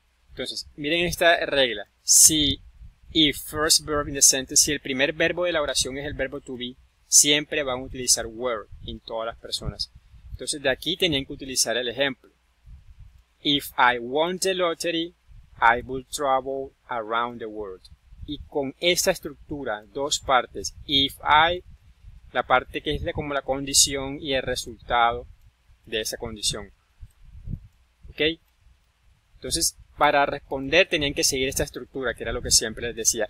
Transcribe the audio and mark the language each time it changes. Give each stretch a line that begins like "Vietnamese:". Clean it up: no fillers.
Spanish: Entonces, miren esta regla. Si
English: if first verb in the sentence,
Spanish: si el primer verbo de la oración es el verbo to be, siempre van a utilizar were en todas las personas. Entonces, de aquí tenían que utilizar el ejemplo.
English: If I won the lottery, I would travel around the world.
Spanish: Y con esta estructura, dos partes, if I, la parte que es como la condición y el resultado de esa condición. ¿Ok? Entonces, para responder tenían que seguir esta estructura, que era lo que siempre les decía.